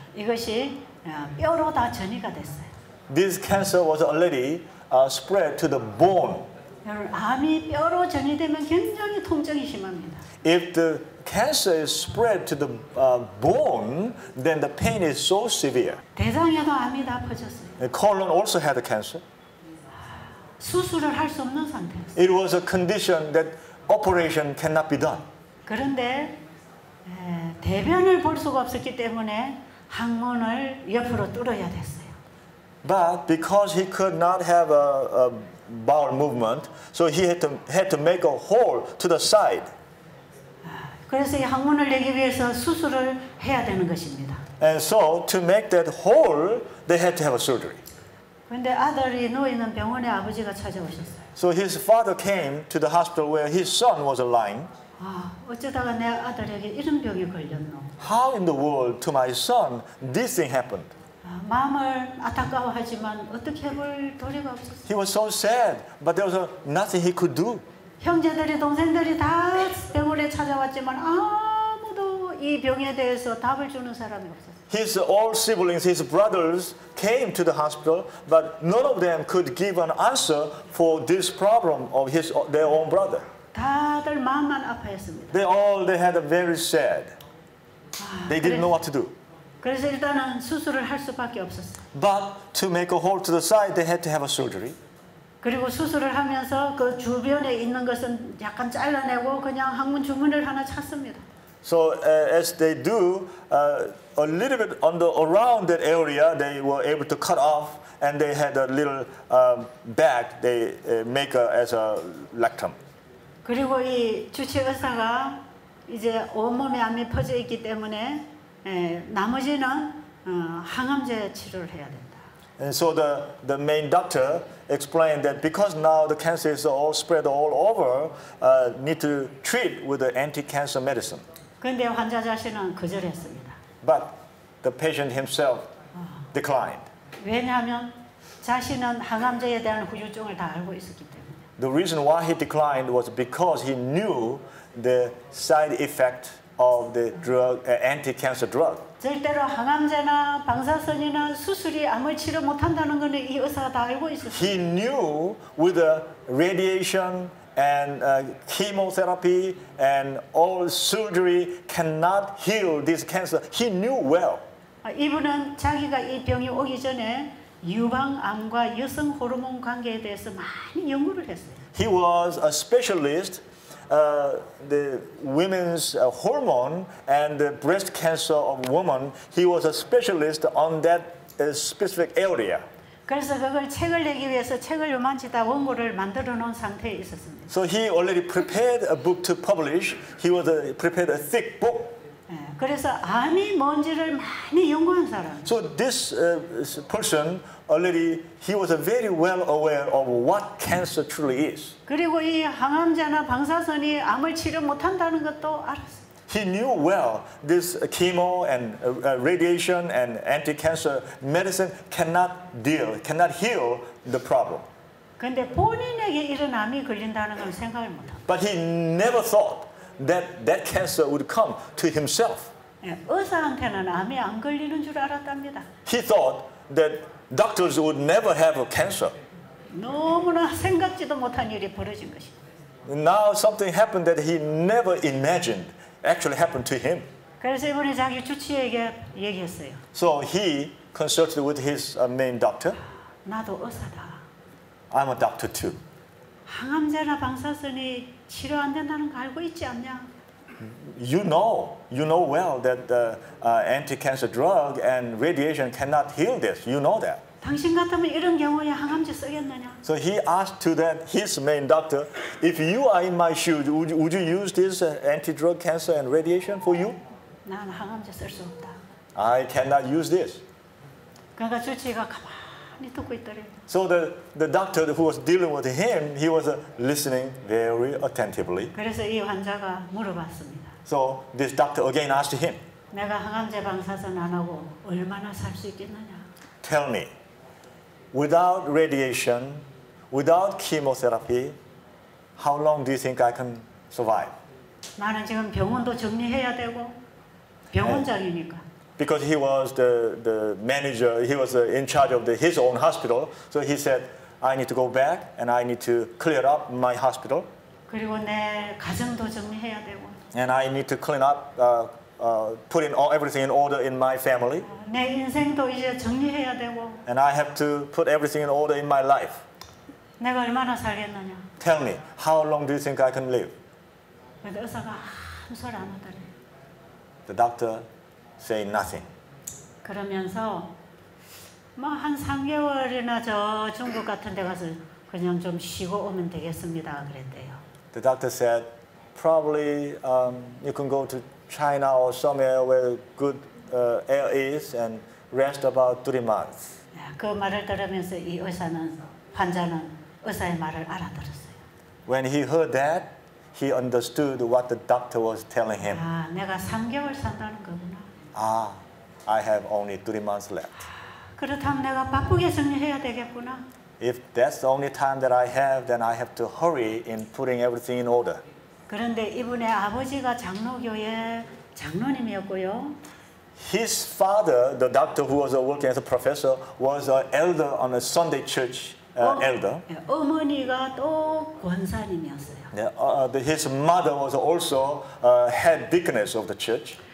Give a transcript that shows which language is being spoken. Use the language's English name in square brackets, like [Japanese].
[Korean] 이것이 뼈로 다 전이가 됐어요. [English] This cancer was already spread to the bone. [Korean] 암이 뼈로 전이되면 굉장히 통증이 심합니다. [English] If the cancer is spread to the bone, then the pain is so severe. [Korean] 대장에도 암이 다 퍼졌어요. [English] The colon also had a cancer. [Korean] 수술을 할 수 없는 상태였어요. [English] It was a condition that operation cannot be done. [Korean] 그런데 대변을 볼 수가 없었기 때문에 항문을 옆으로 뚫어야 됐어요. [English] But because he could not have a bowel movement, so he had to make a hole to the side. [Korean] 그래서 이 항문을 내기 위해서 수술을 해야 되는 것입니다. [English] And so to make that hole, they had to have a surgery. [Korean] 근데 아들이 누워있는 병원에 아버지가 찾아오셨어요. [English] So his father came to the hospital where his son was lying. [Korean] 어쩌다가 내 아들에게 이런 병이 걸렸노? [English] How in the world to my son this thing happened? [Korean] 마음을 안타까워하지만 어떻게 해볼 도리가 없었어. [English] He was so sad, but there was nothing he could do. [Korean] 형제들이 동생들이 다 병원에 찾아왔지만 아무도 이 병에 대해서 답을 주는 사람이 없었어. [English] His all siblings, his brothers came to the hospital, but none of them could give an answer for this problem of his their own brother. [Korean] 다들 마음만 아파했습니다. [English] They had a very sad. They didn't know what to do. [Korean] 그래서 일단은 수술을 할 수밖에 없었어요. [English] But to make a hole to the side, they had to have a surgery. [Korean] 그리고 수술을 하면서 그 주변에 있는 것은 약간 잘라내고 그냥 항문 주문을 하나 찾습니다. [English] So as they do a little bit on the around that area, they were able to cut off, and they had a little bag they make as a rectum. [Korean] 그리고 이 주치 의사가 이제 온몸에 암이 퍼져 있기 때문에 나머지는 항암제 치료를 해야 된다. [English] And so the main doctor explained that because now the cancer is all spread all over, need to treat with the anti-cancer medicine. [Korean] 근데 환자 자신은 거절했습니다. [English] But the patient himself declined. [Korean] 왜냐하면 자신은 항암제에 대한 후유증을 다 알고 있었기 때문에. [English] The reason why he declined was because he knew the side effect of the drug, anti-cancer drug. [Korean] 절대로 항암제나 방사선이나 수술이 암을 치료 못한다는 것은 이 의사가 다 알고 있었어요. [English] He knew with the radiation and chemotherapy and all surgery cannot heal this cancer. He knew well. [Korean] 이분은 자기가 이 병이 오기 전에 유방암과 여성 호르몬 관계에 대해서 많이 연구를 했어요. [English] He was a specialist, the women's hormone and the breast cancer of women. He was a specialist on that specific area. [Korean] 그래서 그걸 책을 내기 위해서 책을 요만치다 원고를 만들어 놓은 상태에 있었습니다. [English] So he already prepared a book to publish. He was prepared a thick book. [Korean] 그래서 암이 뭔지를 많이 연구한 사람. [English] So this person already he was very well aware of what cancer truly is. [Korean] 그리고 이 항암제나 방사선이 암을 치료 못한다는 것도 알았어요. [English] He knew well this chemo and radiation and anti-cancer medicine cannot heal the problem. [Korean] 근데 본인에게 이런 암이 걸린다는 건 생각을 못 하고. [English] But he never thought that cancer would come to himself. [Korean] 의사한테는 암이 안 걸리는 줄 알았답니다. [English] He thought that doctors would never have a cancer. [Korean] 너무나 생각지도 못한 일이 벌어진 것이. [English] Now something happened that he never imagined. Actually happened to him. [Korean] 그래서 이번에 자기 주치의에게 얘기했어요. [English] So he consulted with his main doctor. [Korean] 나도 의사다. [English] I'm a doctor too. [Korean] 항암제나 방사선이 치료 안 된다는 거 알고 있지 않냐? [English] You know well that the anti-cancer drug and radiation cannot heal this. You know that. [Korean] 당신 같으면 이런 경우에 항암제 쓰겠느냐? [English] So he asked to that his main doctor, if you are in my shoes, would you use this anti-drug cancer and radiation for you? [Korean] 난 항암제 쓸 수 없다. [English] I cannot use this. [Korean] 그러니까 주치의가 가만히 많이 듣고 있더래. [English] So the doctor who was dealing with him, he was listening very attentively. [Korean] 그래서 이 환자가 물어봤습니다. [English] So this doctor again asked him. [Korean] 내가 항암제 방사선 안 하고 얼마나 살 수 있겠느냐? [English] Tell me, without radiation, without chemotherapy, how long do you think I can survive? [Korean] 나는 지금 병원도 정리해야 되고 병원장이니까. [English] Because he was the manager, he was in charge of his own hospital. So he said, I need to go back and I need to clear up my hospital. [Korean] 그리고 내 가정도 정리해야 되고. [English] And I need to clean up, put in all, everything in order in my family. [Korean] 내 인생도 이제 정리해야 되고. [English] And I have to put everything in order in my life. [Korean] 내가 얼마나 살겠느냐? [English] Tell me, how long do you think I can live? [Korean] 근데 의사가 한 소리 안 하더래. [English] The doctor say nothing. [Korean] 그러면서 뭐 한 3개월이나 저 중국 같은 데 가서 그냥 좀 쉬고 오면 되겠습니다. 그랬대요. [English] The doctor said, probably you can go to China or somewhere where good air is and rest about 3 months. [Korean] 그 말을 들으면서 이 의사는 환자는 의사의 말을 알아들었어요. [English] When he heard that, he understood what the doctor was telling him. [Korean] 아, 내가 3개월 산다는 거구나. [English] Ah, I have only 3 months left. [Korean] 그렇다면 내가 바쁘게 정리해야 되겠구나. [English] If that's the only time that I have, then I have to hurry in putting everything in order. [Korean] 그런데 이분의 아버지가 장로교회 장로님이었고요. [English] His father, the doctor who was working as a professor, was an elder on a Sunday church elder. [Korean] 어머니가 또 권사님이었어요. [English] His mother was also head deaconess of the church.